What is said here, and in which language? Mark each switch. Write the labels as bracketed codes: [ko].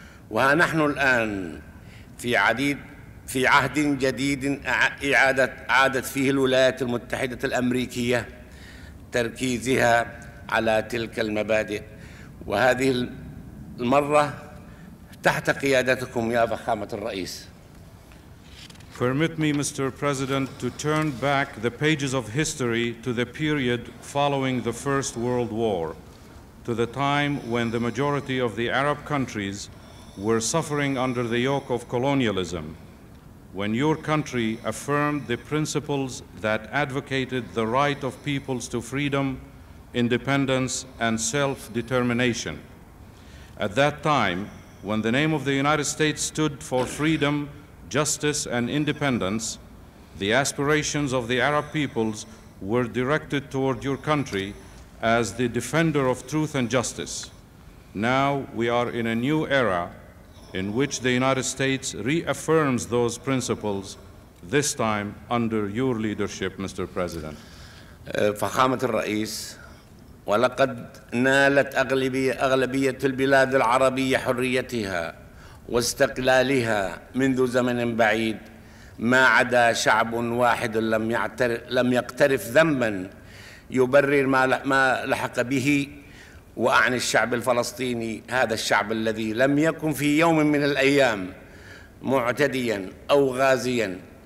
[ar] وها نحن الآن في عهد جديد عادت فيه الولايات المتحدة الأمريكية تركيزها على تلك المبادئ، وهذه المرة تحت قيادتكم يا فخامة الرئيس. [en] Permit me, Mr. President, to turn back the pages of history to the period following the First World War, to the time when the majority of the Arab countries were suffering under the yoke of colonialism, when your country affirmed the principles that advocated the right of peoples to freedom, independence, and self-determination. At that time, when the name of the United States stood for freedom, justice, and independence, the aspirations of the Arab peoples were directed toward your country as the defender of truth and justice. Now we are in a new era in which the United States reaffirms those principles, this time under your leadership, Mr. President. [ar] فخامة الرئيس، ولقد نالت أغلبية البلاد العربية حريتها واستقلالها منذ زمن بعيد، ما عدا شعب واحد لم يقترف ذنبا يبرر ما لحق به، وأعني الشعب الفلسطيني، هذا الشعب الذي لم يكن في يوم من الأيام معتديا أو غازيا،